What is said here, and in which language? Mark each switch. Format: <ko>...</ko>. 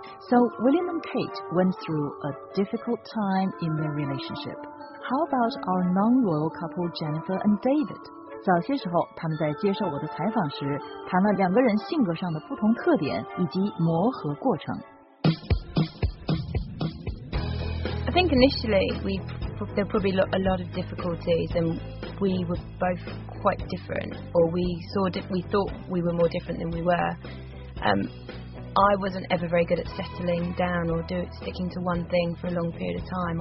<en>So William and Kate went through a difficult time in their relationship. How about our non-royal couple Jennifer and David?</en> <zh>早些时候，他们在接受我的采访时，谈了两个人性格上的不同特点以及磨合过程。</zh> <en>I think initially there probably a lot of difficulties, and we were both quite different, or we thought we were more different than we were. I wasn't ever very good at settling down or sticking to one thing for a long period of time.</en>